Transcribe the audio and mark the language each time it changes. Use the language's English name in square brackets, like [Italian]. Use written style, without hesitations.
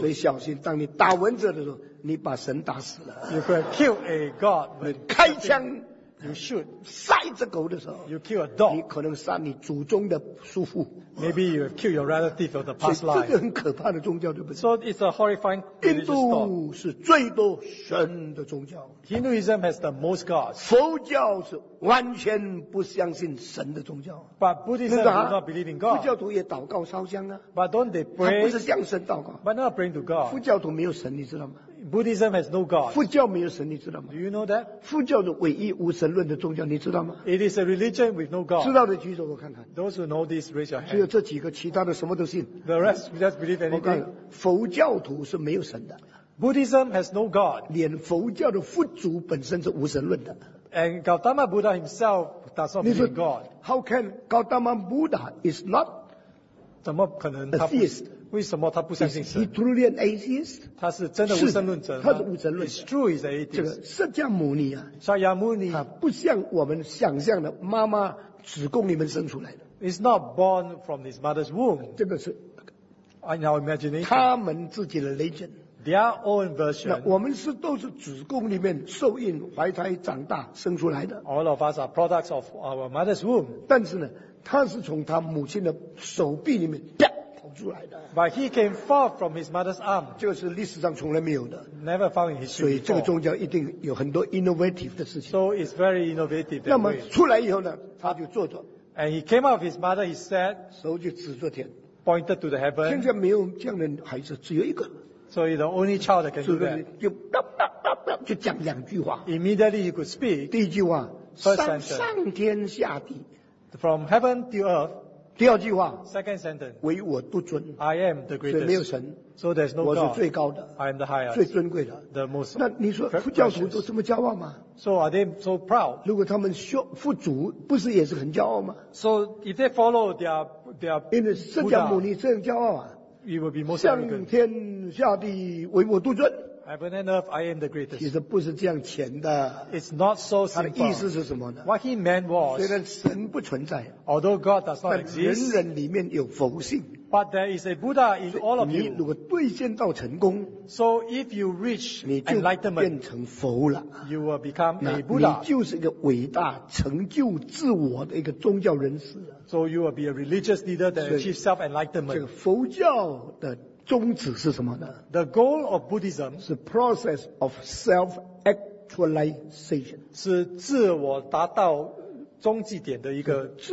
[Chinese] 所以小心，当你打蚊子的时候，你把神打死了。 [English] You could kill a god. [Chinese] 你开枪。 [English] You should [Chinese] 杀一只狗的时候 [English] ，You kill a dog， [Chinese] 你可能杀你祖宗的叔父 [English] ，Maybe you have killed your relative of the past life， [Chinese] 这个很可怕的宗教，对不对 [English] ？So it's a horrifying religion. [Chinese] 印度是最多神的宗教 [English] ，Hinduism has the most gods. [Chinese] 佛教是完全不相信神的宗教 [English] ，But Buddhism does not believe in God. [Chinese] 佛教徒也祷告烧香啊 [English] ，But don't they pray？ [Chinese] 他不是向神祷告 [English] ，But not praying to God. [Chinese] 佛教徒没有神，你知道吗？ [English] Buddhism has no God. [Chinese] 佛教没有神，你知道吗？ [English] Do you know that? [Chinese] 佛教的唯一无神论的宗教，你知道吗？ [English] It is a religion with no God. [Chinese] 知道的举手，我看看。 [English] Those who know this, raise your hand. [Chinese] 只有这几个，其他的什么都信。 [English] The rest just believe anything. [Chinese] 我看佛教徒是没有神的。 [English] Buddhism has no God. [Chinese] 连佛教的佛祖本身是无神论的。 [English] And Gautama Buddha himself does not believe in God. How can Gautama Buddha is not a theist? [Chinese] 为什么他不相信神? [English] Is he truly an atheist? [Chinese] 他是真的无神论者, 他是无神论者, [English] it's true, he's an atheist. [Chinese] 这个释迦牟尼啊, 释迦牟尼, 他不像我们想象的妈妈子宫里面生出来的, [English] he's not born from his mother's womb. [Chinese] 这个是, [English] in our imagination. [Chinese] 他们自己的religion, [English] their own version. [Chinese] 我们都是子宫里面受孕怀胎长大生出来的, [English] all of us are products of our mother's womb. [Chinese] 但是呢, 他是从他母亲的手臂里面, [English] But he came forth from his mother's arm. [Chinese] 这个是历史上从来没有的, [English] never found in history. [Chinese] 所以这个宗教一定有很多 innovative 的事情, [English] so it's very innovative. [Chinese] 那么出来以后呢, 他就坐着, [English] and he came out of his mother, he said, [Chinese] 手就指着天, [English] pointed to the heaven. [Chinese] 现在没有这样的孩子, 只有一个, [English] so he's the only child that can do that. [Chinese] 就叮叮叮叮叮, 就讲两句话, [English] immediately he could speak. [Chinese] 第一句话, 上天下地, [English] from heaven to earth. [Chinese] 第二句话, [English] second sentence, [Chinese] 唯我独尊, [English] I am the greatest. [Chinese] 所以没有神, [English] so there's no God. [Chinese] 我是最高的, [English] I am the highest. [Chinese] 最尊贵的, [English] the most. [Chinese] 那你说佛教徒都这么骄傲吗? [English] So are they so proud? [Chinese] 如果他们学佛祖不是也是很骄傲吗? [English] So if they follow their [Chinese] 因为释迦牟尼这样骄傲啊, [English] it will be most [Chinese] arrogant. 上天下地, 唯我独尊, [English] heaven and earth, I am the greatest. [Chinese] 其实不是这样浅的, [English] it's not so simple. [Chinese] 他的意思是什么呢? [English] What he meant was, [Chinese] 虽然神不存在, [English] although God does not exist, [Chinese] 人人里面有佛性, [English] but there is a Buddha in all of you. [Chinese] 你如果兑现到成功, [English] so if you reach enlightenment, [Chinese] 你就变成佛了, [English] you will become a Buddha. [Chinese] 你就是一个伟大成就自我的一个宗教人士, [English] so you will be a religious leader that achieves self-enlightenment. [Chinese] 这个佛教的 宗旨是什么呢? [English] The goal of Buddhism is the process of self-actualization. [Chinese] 是自我达到终极点的一个,